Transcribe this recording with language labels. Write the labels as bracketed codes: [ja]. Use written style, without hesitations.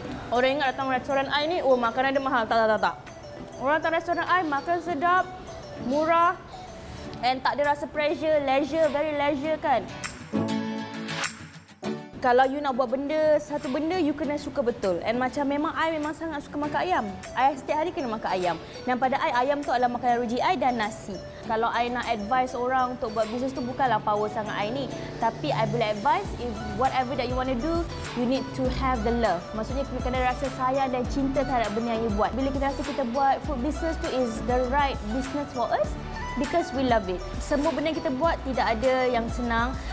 [ms] Orang ingat datang restoran I ni, oh makanan dia mahal. Tak. Orang datang restoran I makan sedap, murah and tak ada rasa [en] pressure, leisure, very leisure [ms] kan. Kalau you nak buat benda, satu benda you kena suka betul. [en] And [ms] macam memang I memang sangat suka makan ayam. I setiap hari kena makan ayam. Dan pada I, ayam tu adalah makanan ruji I dan nasi. Kalau I nak advise orang untuk buat bisnes tu, bukanlah power sangat I ni. Tapi I boleh advise, [en] if whatever that you want to do, you need to have the love. [ms] Maksudnya kena ada rasa sayang dan cinta terhadap benda yang you buat. Bila kita rasa kita buat food business tu [en] is the right business for us because we love it. [ms] Semua benda kita buat tidak ada yang senang.